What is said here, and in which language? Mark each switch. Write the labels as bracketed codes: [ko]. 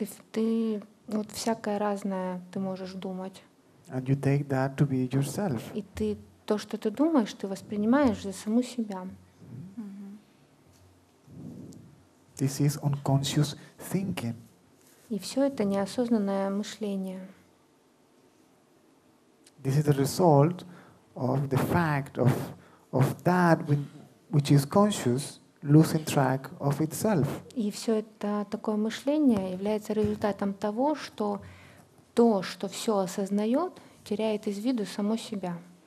[ru] Ты вот всякое разное ты можешь думать. [en] And you take that to be yourself. [ru] И ты то, что ты думаешь, ты воспринимаешь за саму себя. [en] This is unconscious thinking. [ru] И все это неосознанное мышление. [en] This is the result of the fact of that which is conscious losing track of itself. [ru] И все это такое мышление является результатом того, что то, что все осознает, теряет из виду само себя.